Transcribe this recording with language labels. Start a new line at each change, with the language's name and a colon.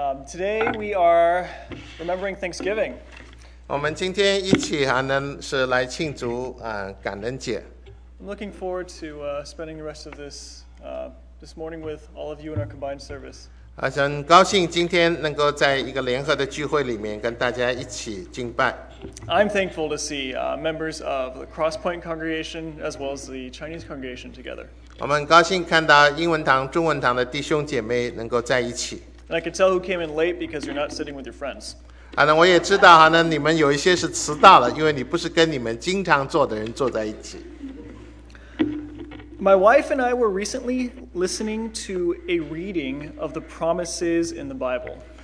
English: Today we are remembering Thanksgiving.
Chinese: 我们今天一起还能是来庆祝,
English: I'm looking forward to spending the rest of this morning with all of you in our combined service.
Chinese: 很高兴今天能够在一个联合的聚会里面跟大家一起敬拜。
English: I'm thankful to see members of the Cross Point congregation as well as the Chinese congregation together.
Chinese: 我们很高兴看到英文堂、中文堂的弟兄姐妹能够在一起。
English: And I can tell who came in late because you're not sitting with your friends.
Chinese: 我也知道你们有一些是迟到了，因为你不是跟你们经常坐的人坐在一起。
English: My wife and I were recently listening to a reading of the promises in the Bible.